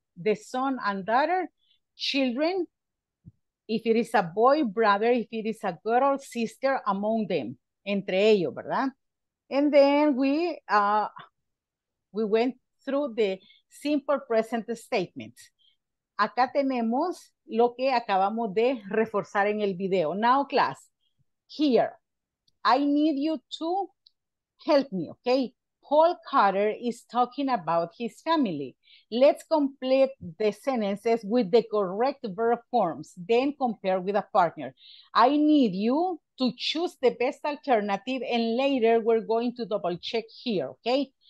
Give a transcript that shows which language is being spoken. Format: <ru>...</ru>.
<en>The son and daughter, children, if it is a boy, brother, if it is a girl, sister, among them,</en> <es>entre ellos, ¿verdad?</es> <en>And then we went through the simple present statements.</en> <es>Acá tenemos lo que acabamos de reforzar en el video.</es> <en>Now, class, here, I need you to help me, okay? Paul Carter is talking about his family. Let's complete the sentences with the correct verb forms, then compare with a partner. I need you to choose the best alternative, and later we're going to double check here, okay?</en>